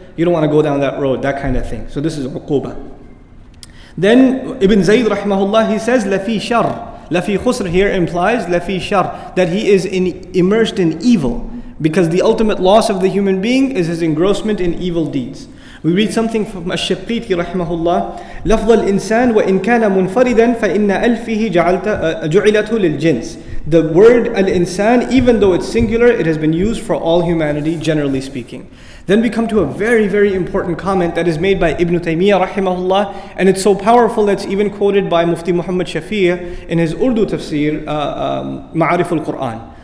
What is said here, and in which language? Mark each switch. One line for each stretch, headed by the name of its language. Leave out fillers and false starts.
English: You don't want to go down that road, that kind of thing. So this is uquba. Then Ibn Zayd rahimahullah, he says,
Arabic: لَفِي شَرْ. لَفِي خُسْر
English: here implies
Arabic: لَفِي شَرْ,
English: that he is immersed in evil. Because the ultimate loss of the human being is his engrossment in evil deeds. We read something from Ash-Shaqqiti rahimahullah.
Arabic: لفظ الإنسان وإن كان منفردا فإن ألفه جعلته للجنس.
English: The word al-insan, even though it's singular, it has been used for all humanity, generally speaking. Then we come to a very, very important comment that is made by Ibn Taymiyyah rahimahullah, and it's so powerful that it's even quoted by Mufti Muhammad Shafi'i in his Urdu tafsir, Ma'arif al-Qur'an.